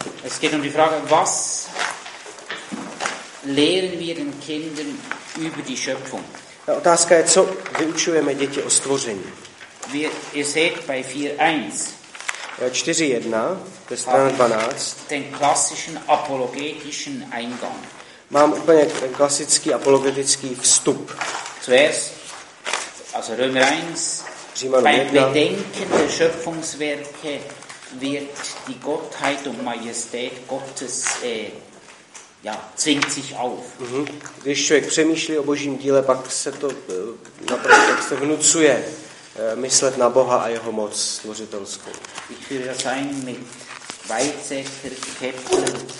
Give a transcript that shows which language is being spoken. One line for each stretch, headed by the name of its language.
German: Es geht um die Frage, was lehren wir den Kindern über die Schöpfung?
Czech: Otázka je, co vyučujeme děti o stvoření.
German: Ihr seht bei 4.1.
Czech: 4.1, to je strana 12.
German: Den klassischen apologetischen Eingang.
Czech: Mám úplně ten klasický apologetický vstup.
German: Zuerst, also Römer 1,
Czech: Římanu
German: beim 1. Bedenken der Schöpfungswerke wird die Gottheit und Majestät Gottes zwingt sich auf.
Czech: Když člověk přemýšlí o božím díle, pak se to naprosto se vnucuje myslet na Boha a jeho moc stvořitelskou.
German: Ich führe das ein mit Weizsäcker, Kepler,